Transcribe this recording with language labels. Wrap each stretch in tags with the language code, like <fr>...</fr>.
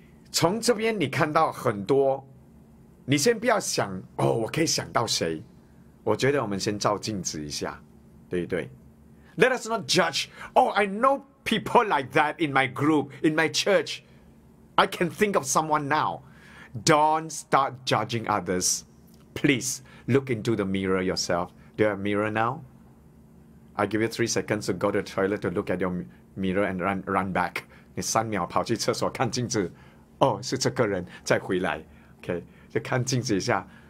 <zh>从这边你看到很多，你先不要想哦，我可以想到谁？我觉得我们先照镜子一下，对不对 ？</zh> <en>Let us not judge. Oh, I know people like that in my group, in my church. I can think of someone now. Don't start judging others. Please look into the mirror yourself. Do you have a mirror now? I give you 3 seconds to go to the toilet to look at your mirror and run back.</en> <zh>你三秒跑去厕所看镜子。哦，是这个人再回来 ，OK， 就看镜子一下。</zh>